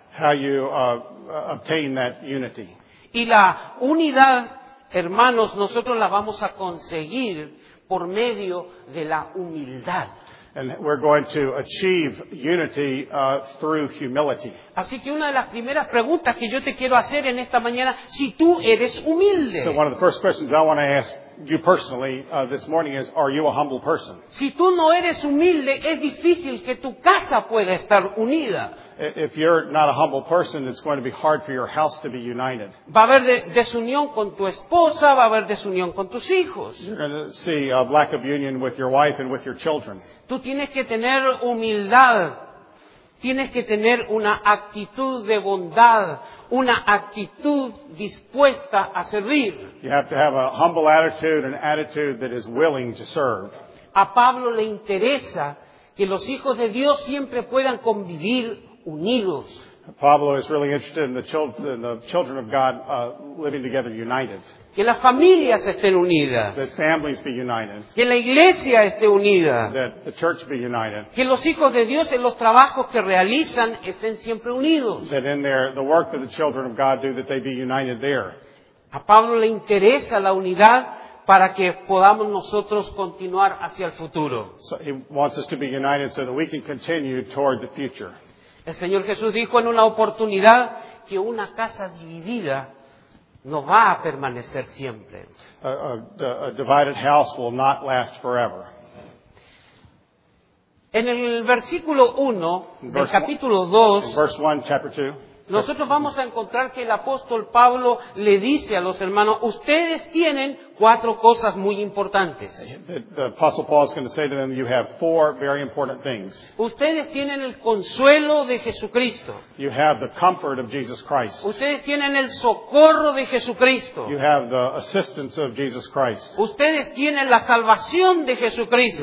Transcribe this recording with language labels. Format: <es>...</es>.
<en>How you obtain that unity.</en> <es>Y la unidad, hermanos, nosotros la vamos a conseguir por medio de la humildad.</es> <en>And we're going to achieve unity through humility.</en> <es>Así que una de las primeras preguntas que yo te quiero hacer en esta mañana, si tú eres humilde.</es> <en>So one of the first questions I want to ask you personally this morning is, are you a humble person?</en> <es>Si tú no eres humilde, es difícil que tu casa pueda estar unida.</es> <en>If you're not a humble person, it's going to be hard for your house to be united.</en> <es>Va a haber desunión con tu esposa, va a haber desunión con tus hijos.</es> <en>You're going to see a lack of union with your wife and with your children.</en> <es>Tú tienes que tener humildad, tienes que tener una actitud de bondad, una actitud dispuesta a servir.</es> <en>You have to have a humble attitude, an attitude that is willing to serve.</en> <es>A Pablo le interesa que los hijos de Dios siempre puedan convivir unidos.</es> <en>Pablo is really interested in the children of God living together united.</en> <es>Que las familias estén unidas.</es> <en>That families be united.</en> <es>Que la iglesia esté unida.</es> <en>That the church be united.</en> <es>Que los hijos de Dios en los trabajos que realizan estén siempre unidos.</es> <en>That in the work that the children of God do, that they be united there.</en> <es>A Pablo le interesa la unidad para que podamos nosotros continuar hacia el futuro.</es> <en>So he wants us to be united so that we can continue toward the future.</en> <es>El Señor Jesús dijo en una oportunidad que una casa dividida no va a permanecer siempre.</es> <en>A divided house will not last forever.</en> <es>En el versículo 1 del capítulo 2,</es> <en>verse 1, chapter 2,</en> <es>nosotros vamos a encontrar que el apóstol Pablo le dice a los hermanos, ustedes tienen cuatro cosas muy importantes.</es> <en>The apostle Paul is going to say to them, you have four very important things.</en> <es>Ustedes tienen el consuelo de Jesucristo.</es> <en>You have the comfort of Jesus Christ.</en> <es>Ustedes tienen el socorro de Jesucristo.</es> <en>You have the assistance of Jesus Christ.</en> <es>Ustedes tienen la salvación de Jesucristo.</es>